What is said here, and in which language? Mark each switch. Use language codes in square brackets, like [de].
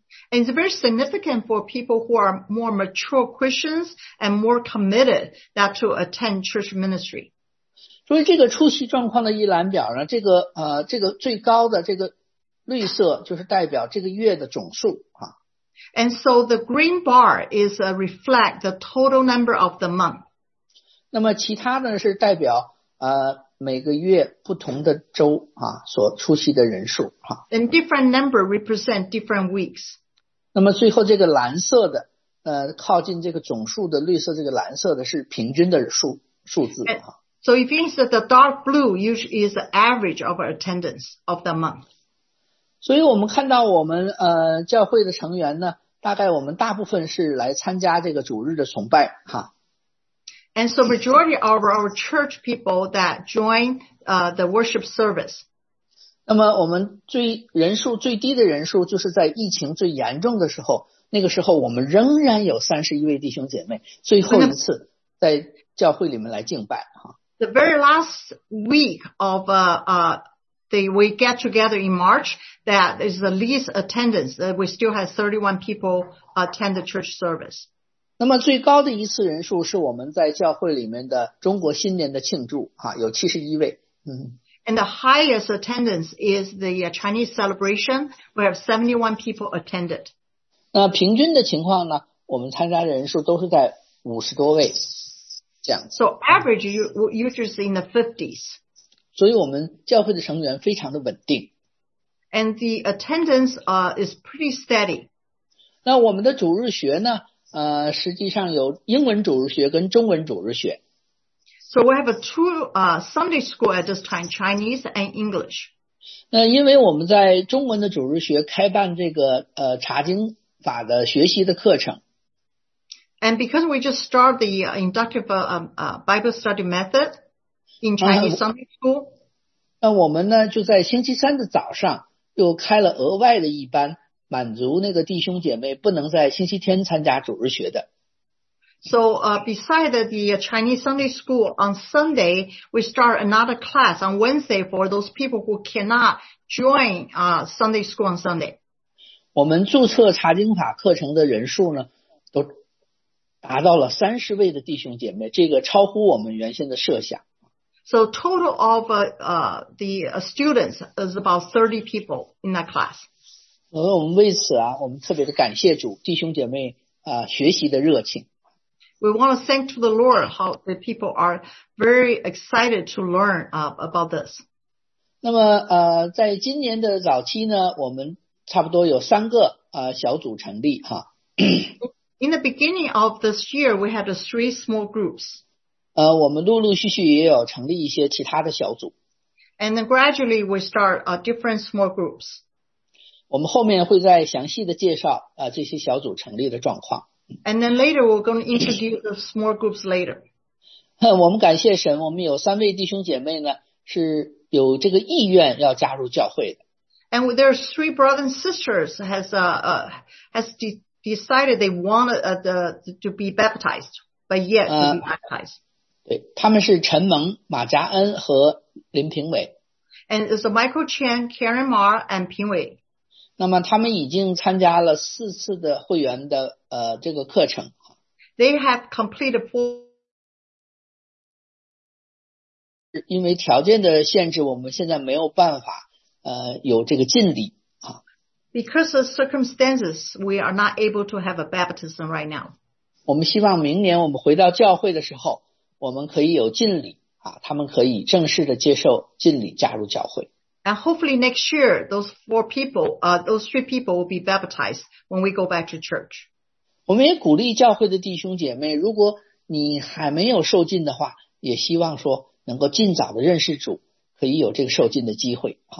[en] And it's very significant for people who are more mature Christians and more committed that to attend church ministry. [zh] 所以这个出席状况的一览表呢，这个最高的这个绿色就是代表这个月的总数啊。 [en] And so the green bar is a reflect the total number of the month. [zh] 那么其他的是代表每个月不同的周啊所出席的人数啊。 [en] And different number represent different weeks. [zh] 那么最后这个蓝色的靠近这个总数的绿色这个蓝色的是平均的数字啊。 [en] So it means that the dark blue usually is the average of attendance of the month. [zh] 所以我们看到我们教会的成员呢，大概我们大部分是来参加这个主日的崇拜啊。 [en] And so majority of our church people that join the worship service. [zh] 那么我们人数最低的人数就是在疫情最严重的时候，那个时候我们仍然有31位弟兄姐妹最后一次在教会里面来敬拜。 [en] The very last week of we get together in March, that is the least attendance, that we still have 31 people attend the church service. [zh] 那么最高的一次人数是我们在教会里面的中国新年的庆祝啊，有71位。 [en] And the highest attendance is the Chinese celebration. We have 71 people attended. [zh] 那平均的情况呢，我们参加的人数都是在五十多位这样。 [en] So average users in the 50s. [zh] 所以我们教会的成员非常的稳定。 [en] And the attendance is pretty steady. [zh] 那我们的主日学呢？实际上有英文主日学跟中文主日学。 [en] So we have a two Sunday school at this time, Chinese and English. [zh] 那因为我们在中文的主日学开办这个查经法的学习的课程。 [en] And because we just start the inductive Bible study method in Chinese Sunday school. [zh] 那我们呢就在星期三的早上又开了额外的一班，满足那个弟兄姐妹不能在星期天参加主日学的。 [en] So, beside the Chinese Sunday School on Sunday, we start another class on Wednesday for those people who cannot join, Sunday School on Sunday. [zh] 我们注册查经法课程的人数呢，都达到了30位的弟兄姐妹，这个超乎我们原先的设想。 [en] So, total of, the students is about 30 people in that class. [zh] 所以我们为此啊，我们特别的感谢主，弟兄姐妹，学习的热情。 [en] We want to thank to the Lord how the people are very excited to learn about this. [zh] 那么在今年的早期呢，我们差不多有三个小组成立哈。 [en] In the beginning of this year, we had three small groups. [zh] 我们陆陆续续也有成立一些其他的小组。 [en] And then gradually we start different small groups. [zh] 我们后面会再详细的介绍这些小组成立的状况。 [en] And then later, we're going to introduce the small groups later. [zh] 我们感谢神，我们有三位弟兄姐妹呢，是有这个意愿要加入教会的。 [en] And there are three brothers and sisters has decided they want to be baptized, but yet to be baptized. [zh] 对，他们是陈萌、马嘉恩和林平伟。 [en] And it's Michael Chen, Karen Mar, and Ping Wei. [zh] 那么他们已经参加了四次的会员的这个课程。 [en] They have completed four. [zh] 因为条件的限制，我们现在没有办法有这个浸礼。 [en] Because of circumstances, we are not able to have a baptism right now. [zh] 我们希望明年我们回到教会的时候，我们可以有浸礼他们可以正式的接受浸礼加入教会。 [en] And hopefully next year, those four people, those three people will be baptized when we go back to church. [zh] 我们也鼓励教会的弟兄姐妹，如果你还没有受浸的话，也希望说能够尽早的认识主，可以有这个受浸的机会。